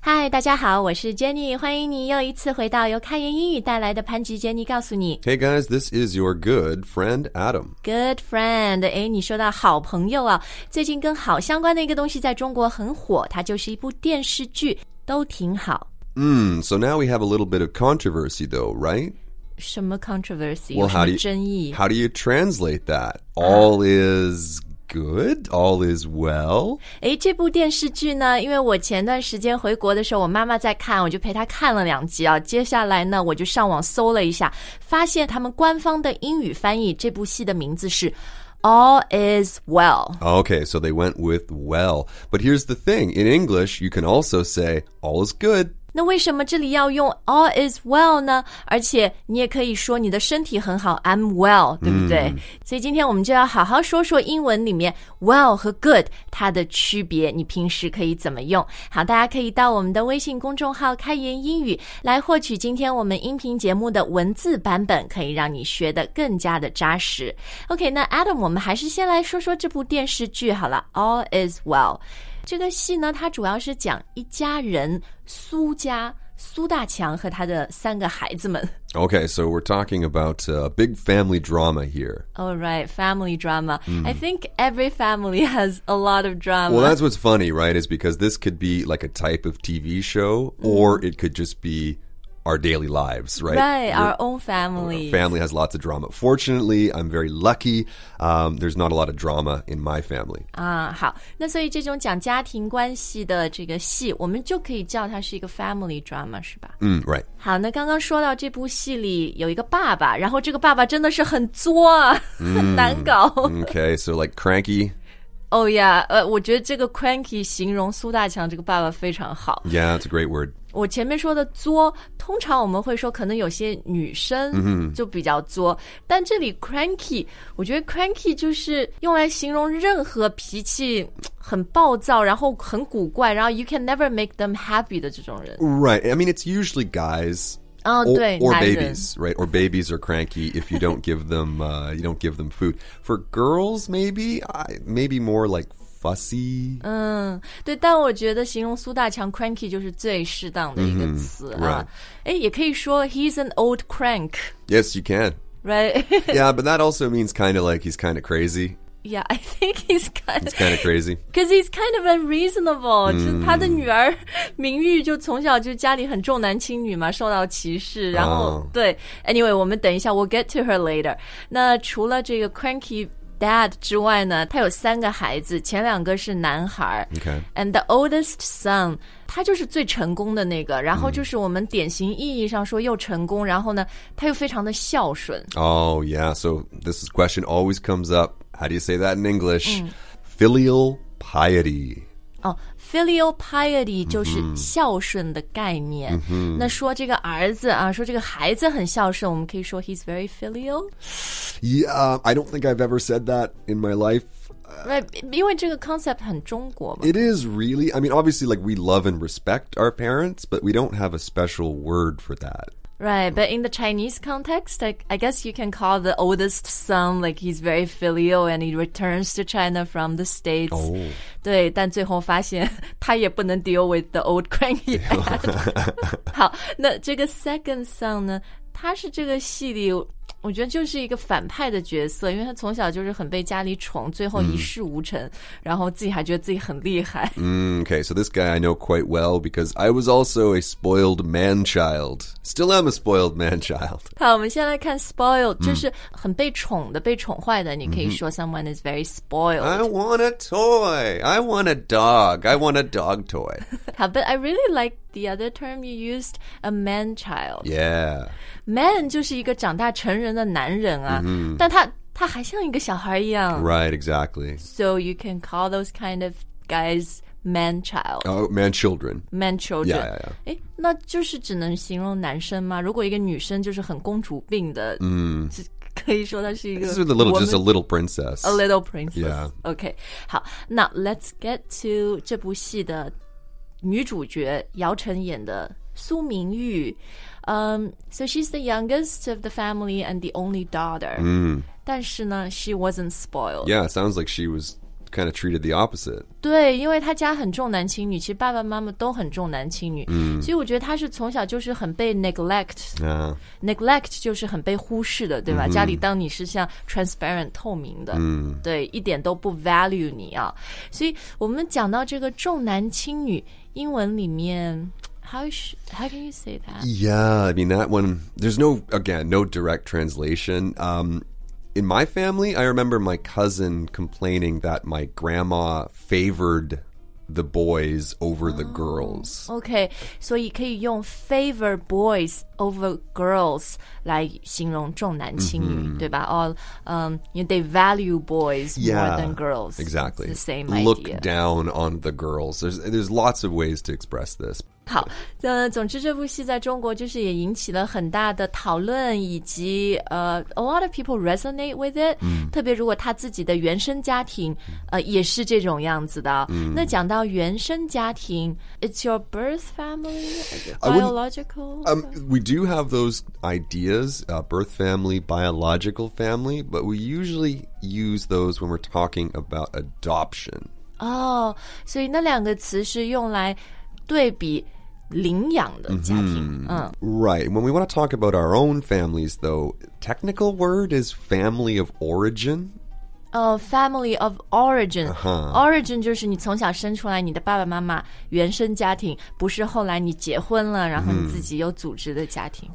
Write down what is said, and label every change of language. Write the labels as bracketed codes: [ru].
[zh] 大家好，我是 Jenny， 欢迎你又一次回到由开言英语带来的潘吉 Jenny 告诉你。 [en] Hey guys, this is your good friend Adam. [zh] Good friend， 哎，你说到好朋友啊，最近跟好相关的一个东西在中国很火，它就是一部电视剧，都挺好。 [en] So now we have a little bit of controversy though, right? [zh] 什么 controversy？有什么争议？ [en] How do you translate that? All is good. Good, all is well. [zh] 诶，这部电视剧呢，因为我前段时间回国的时候，我妈妈在看，我就陪她看了两集啊。接下来呢，我就上网搜了一下，发现他们官方的英语翻译，这部戏的名字是 All is well. [en] Okay, so they went with well. But here's the thing, in English, you can also say all is good. [zh] 那为什么这里要用 all is well 呢？而且你也可以说你的身体很好 ， [en] I'm well， [zh] 对不对？所以今天我们就要好好说说英文里面 well 和 good 它的区别，你平时可以怎么用？好，大家可以到我们的微信公众号“开言英语”来获取今天我们音频节目的文字版本，可以让你学得更加的扎实。 OK， 那 Adam， 我们还是先来说说这部电视剧好了 ，all is well。这个戏呢，它主要是讲一家人苏家苏大强和他的三个孩子们。 [en] Okay, so we're talking about a big family drama here. Oh, right, family drama. I think every family has a lot of drama. Well, that's what's funny, right? Is because this could be like a type of TV show, or it could just be our daily lives, right? Right, our own family. Our family has lots of drama. Fortunately, I'm very lucky. There's not a lot of drama in my family. [zh] 好，那所以这种讲家庭关系的这个戏，我们就可以叫它是一个 family drama, 是吧？ [en] Right. [zh] 好，那刚刚说到这部戏里有一个爸爸，然后这个爸爸真的是很作啊，很难搞。 [en] Okay, so like cranky. Oh yeah, [zh] 我觉得这个 cranky 形容苏大强这个爸爸非常好。 [en] Yeah, that's a great word. [zh] 我前面说的作，通常我们会说可能有些女生就比较作、但这里 cranky, 我觉得 cranky 就是用来形容任何脾气很暴躁，然后很古怪，然后 [en] you can never make them happy [zh] 的这种人。 [en] Right, I mean it's usually guys. [zh] Oh, 对， [en] or babies, right? Or babies are cranky if you don't give them, you don't give them food. For girls, maybe, maybe more like fussy. [zh] 对，但我觉得形容苏大强 cranky 就是最适当的一个词啊。哎，也可以说 [en] he's an old crank. Yes, you can. Right? Yeah, but that also means kind of like he's kind of crazy. Yeah, I think he's kind of, it's kind of crazy. Because he's kind of unreasonable. [zh] 就他的女儿明玉就从小就家里很重男轻女嘛，受到歧视。然后、对 ，Anyway， 我们等一下 ， [en] we'll get to her later. [zh] 那除了这个 cranky dad 之外呢，他有三个孩子，前两个是男孩。 [en] Okay. And the oldest son， [zh] 他就是最成功的那个。然后就是我们典型意义上说又成功，然后呢，他又非常的孝顺。 [en] Oh yeah. So this question always comes up. How do you say that in English? Filial piety. [zh] Oh, filial piety 就是孝顺的概念。那说这个儿子啊，说这个孩子很孝顺，我们可以说 [en] he's very filial? Yeah, I don't think I've ever said that in my life. [zh] Right, 因为这个 concept 很中国嘛。 [en] It is really, I mean, obviously, like, we love and respect our parents, but we don't have a special word for that. Right, but in the Chinese context, I guess you can call the oldest son, like he's very filial and he returns to China from the States. Oh. [zh] 对，但最后发现他也不能 [en] deal with the old cranky dad. [zh] 好，那这个 second son 呢，他是这个戏里我觉得就是一个反派的角色，因为他从小就是很被家里宠，最后一事无成，然后自己还觉得自己很厉害。 [en] Okay, so this guy I know quite well because I was also a spoiled man child. Still am a spoiled man child. [zh] 好，我们先来看 spoiled, 就是很被宠的，被宠坏的。你可以说 [en] someone is very spoiled. I want a toy. I want a dog. I want a dog toy. 好 but I really like the other term you used, a man child. Yeah. [zh] Man 就是一个长大成人的男人啊、但他还像一个小孩一样 [en] Right, exactly. So you can call those kind of guys man child. Oh, man children. Man children. Yeah, yeah, yeah. [zh] 诶，那就是只能形容男生吗？如果一个女生就是很公主病的、可以说她是一个 [en] This is a little, just a little princess. A little princess. Yeah. Okay, 好，那 let's get to [zh] 这部戏的女主角姚晨演的苏明玉 [en] so she's the youngest of the family and the only daughter. [zh] 但是呢 [en] she wasn't spoiled. Yeah, it sounds like she was kind of treated the opposite. [zh] 对，因为他家很重男轻女，其实爸爸妈妈都很重男轻女，所以我觉得他是从小就是很被 neglect. Neglect 就是很被忽视的，对吧？家里当你是像 transparent 透明的，对，一点都不 value 你啊。所以我们讲到这个重男轻女，英文里面。 [en] How can you say that? Yeah, I mean, that one, there's no, again, no direct translation. In my family, I remember my cousin complaining that my grandma favored the boys over the girls. Okay, so you can use favor boys over girls 来形容重男轻女，对吧？ Or, you know, they value boys more than girls. Exactly. It's the same idea. Look down on the girls. There's lots of ways to express this. [zh] 好，总之这部戏在中国就是也引起了很大的讨论，以及 [en] a lot of people resonate with it、 [zh] 特别如果他自己的原生家庭也是这种样子的、那讲到原生家庭 [en] It's your birth family? Biological? We do have those ideas、birth family, biological family, but we usually use those when we're talking about adoption. [zh] Oh, 所以那两个词是用来对比领养的家庭、 [en] Right. When we want to talk about our own families, though, technical word is family of origin. Family of origin. [zh] Origin 就是你从小生出来你的爸爸妈妈原生家庭，不是后来你结婚了，然后你自己有组织的家庭。